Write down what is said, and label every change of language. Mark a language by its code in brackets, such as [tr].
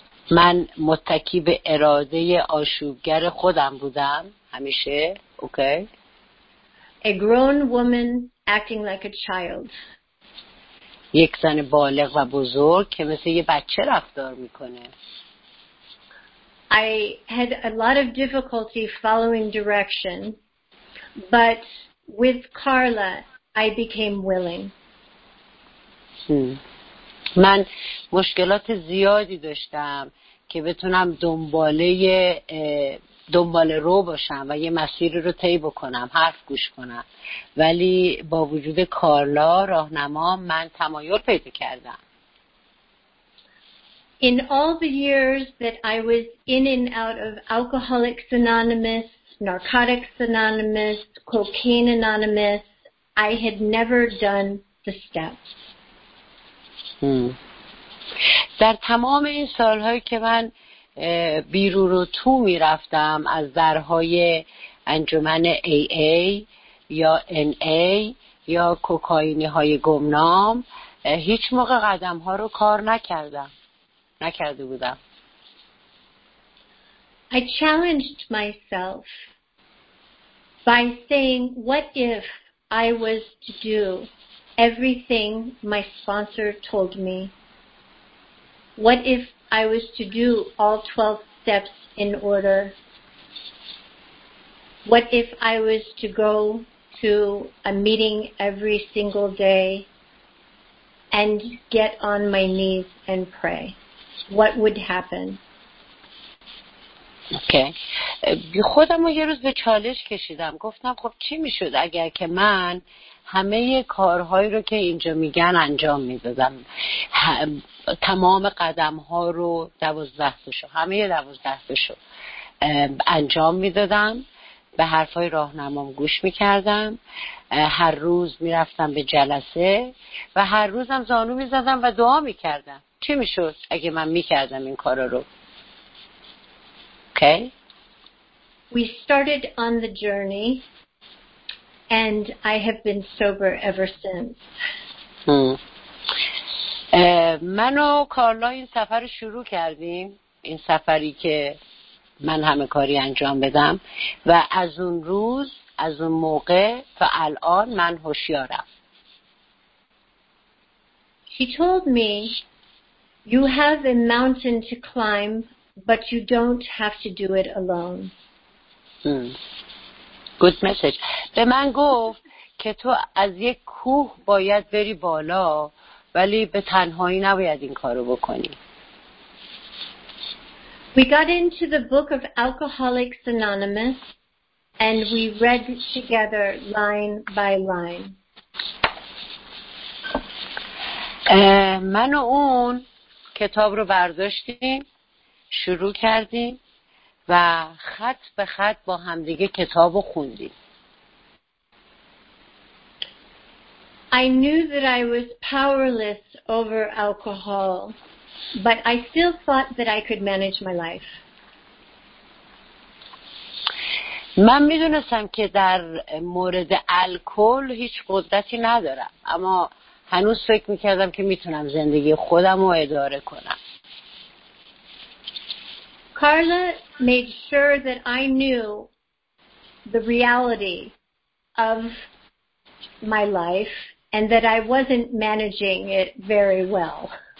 [fa] من متکی به اراده آشوبگر خودم بودم همیشه. اوکی. [en] A grown woman acting like a child. [fa] یک زن بالغ و بزرگ که مثل یه بچه رفتار میکنه. [en] I had a lot of difficulty following direction, but with Carla I became willing. [fa] من مشکلات زیادی داشتم که بتونم دنباله رو باشم و یه مسیر رو طی بکنم، حرف گوش کنم، ولی با وجود کارلا راهنما من تمایل پیدا کردم. [en] In all the years that I was in and out of Alcoholics Anonymous, Narcotics Anonymous, Cocaine Anonymous, I had never done the steps. [fa] در تمام این سالهایی که من بیرون رو تو می رفتم از درهای انجمن AA یا NA یا کوکائینی های گمنام، هیچ موقع قدم ها رو کار نکردم، نکرده بودم. [en] I challenged myself by saying, what if I was to do everything my sponsor told me? What if I was to do all 12 steps in order? What if I was to go to a meeting every single day and get on my knees and pray? What would happen? [fa] اوکی. خودم رو یه روز به چالش کشیدم، گفتم خب چی میشد اگر که من همه کارهایی رو که اینجا میگن انجام میدادم، تمام قدمها رو 12 تاشو، همه 12 تاشو انجام میدادم، به حرفای راهنمام گوش میکردم، هر روز میرفتم به جلسه و هر روزم زانو میزدم و دعا میکردم، چی میشد اگه من میکردم این کارا رو؟ Okay. [en] We started on the journey and I have been sober ever since. [fa] من و کارلا این سفر رو شروع کردیم، این سفری که من همه کاری انجام بدم، و از اون روز، از اون موقع و الان من هوشیارم. [en] She told me, you have a mountain to climb, but you don't have to do it alone. Good message. [fa] به من گفت که تو از یک کوه باید بری بالا، ولی به تنهایی نباید این کارو بکنی. [en] We got into the book of Alcoholics Anonymous and we read together line by line. [fa] من و اون کتاب رو برداشتیم، شروع کردیم و خط به خط با همدیگه کتابو خوندیم. [en] I knew that I was powerless over alcohol, but I still thought that I could manage my life. [fa] من میدونستم که در مورد الکل هیچ قدرتی ندارم، اما هنوز فکر میکردم که میتونم زندگی خودمو اداره کنم. [en] Carla made sure that I knew the reality of my life and that I wasn't managing it very well.